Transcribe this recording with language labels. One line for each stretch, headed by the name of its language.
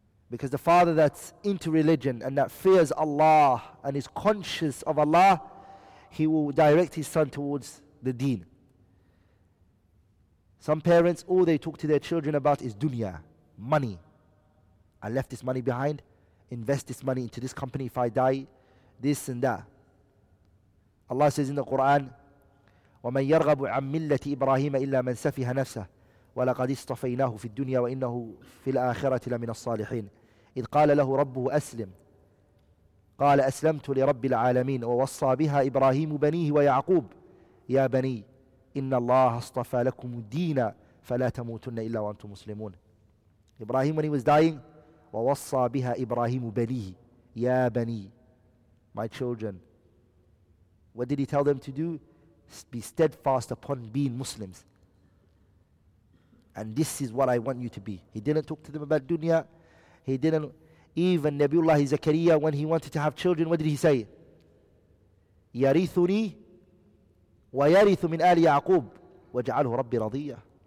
English: Because the father that's into religion and that fears Allah and is conscious of Allah, he will direct his son towards the deen. Some parents, all they talk to their children about is dunya, money. I left this money behind. Invest this money into this company if I die, this and that. Allah says in the Quran,
Arabic: ومن يرغب عن ملة إبراهيم إلا من سفه نفسه ولقد اصطفيناه في الدنيا وإنه في الآخرة لمن الصالحين إذ قال له ربه أسلم قال أسلمت لرب العالمين ووصى بها إبراهيم بنيه ويعقوب يا بني إن الله اصطفى لكم دينا فلا تموتن إلا وأنتم مسلمون إبراهيم
English: when he was dying
Arabic: ووصى بها إبراهيم بنيه يا بني
English: my children what did he tell them to do? Be steadfast upon being Muslims. And this is what I want you to be. He didn't talk to them about dunya. He didn't even Nabiullah Zakariya when he wanted to have children, what did he say?
Arabic: Yarithuni wa yarithu min ali Yaqub waj'alhu rabbi radiya.